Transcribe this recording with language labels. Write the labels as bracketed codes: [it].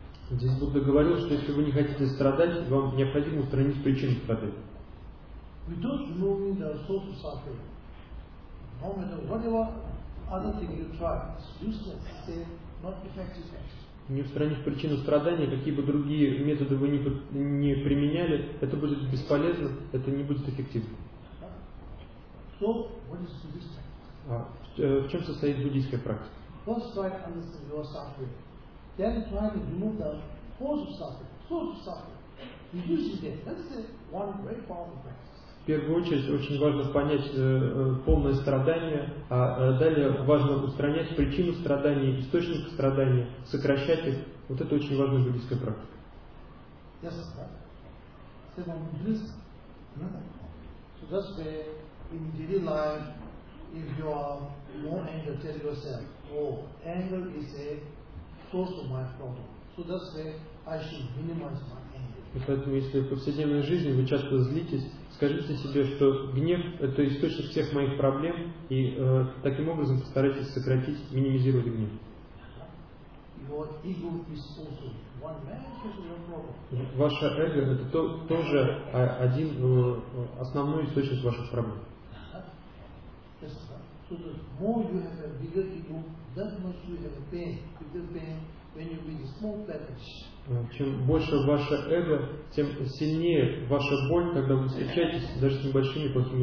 [ru] здесь Будда говорил, что если вы не хотите страдать, вам необходимо устранить причину страдания. [en] We don't remove the source of suffering. No matter whatever other thing you try, it's useless. It's not effective. [ru] Не устранив причину страдания, какие бы другие методы вы не применяли, это будет бесполезно, это не будет эффективно. [en] So, what is Buddhist practice? [ru] В чем состоит буддийская практика? [en] First, try to understand your suffering. Then, try to remove the cause of suffering, source of suffering. Reduce it. That's one very powerful practice. [ru] В первую очередь очень важно понять полное страдание, а далее важно устранять причину страдания, источник страдания, сокращать их. Вот это очень важная буддийская практика. [en] Yes, sir. Seven Buddhists. So that's where in daily life, if you are more angry, tell yourself. Oh, anger is a source of my problem. So that's why I should minimize my anger. [ru] И поэтому, если в повседневной жизни вы часто злитесь, скажите себе, что гнев – это источник всех моих проблем, и таким образом постарайтесь сократить, минимизировать гнев. [en] Your ego is also one major source of problem. [ru] Ваше эго – это тоже один основной источник ваших проблем. [en] So the more you have a bigger ego, that much you have a pain, bigger pain when you be small package. [ru] Чем больше ваше эго, тем сильнее ваша боль, когда вы встречаетесь даже с небольшими плохими